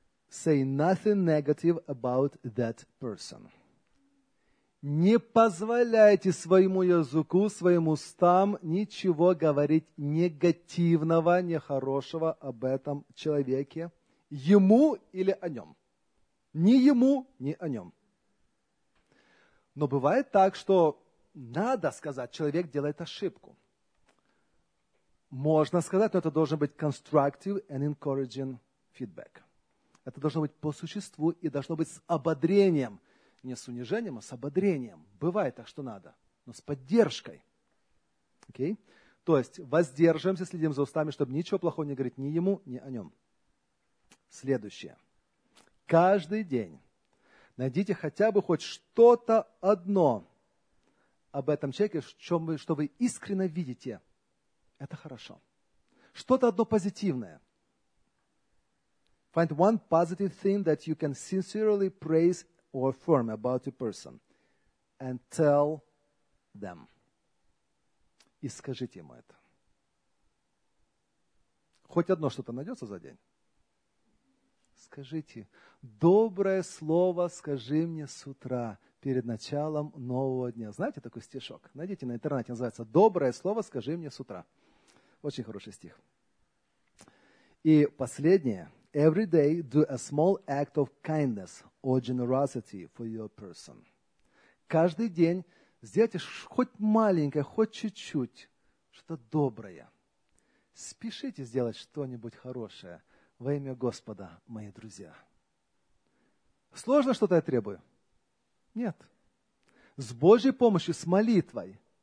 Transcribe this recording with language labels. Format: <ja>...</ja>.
<en>Say nothing negative about that person.</en> <ru>Не позволяйте своему языку, своим устам ничего говорить негативного, нехорошего об этом человеке, ему или о нем. Ни ему, ни о нем. Но бывает так, что надо сказать, человек делает ошибку. Можно сказать, но это должен быть</ru> <en>constructive and encouraging feedback.</en> <ru>Это должно быть по существу и должно быть с ободрением. Не с унижением, а с ободрением. Бывает так, что надо, но с поддержкой.</ru> <en>Okay?</en> <ru>То есть воздержимся, следим за устами, чтобы ничего плохого не говорить ни ему, ни о нем. Следующее. Каждый день найдите хотя бы хоть что-то одно об этом человеке, что вы искренне видите. Это хорошо. Что-то одно позитивное.</ru> <en>Find one positive thing that you can sincerely praise or affirm about a person and tell them.</en> <ru>И скажите ему это. Хоть одно что-то найдется за день. Скажите, доброе слово скажи мне с утра, перед началом нового дня. Знаете такой стишок? Найдите на интернете, называется «Доброе слово скажи мне с утра». Очень хороший стих. И последнее.</ru> <en>Every day do a small act of kindness or generosity for your person.</en> <ru>Каждый день сделайте хоть маленькое, хоть чуть-чуть, что-то доброе. Спешите сделать что-нибудь хорошее. Во имя Господа, мои друзья. Сложно что-то я требую? Нет. С Божьей помощью, с молитвой.</ru>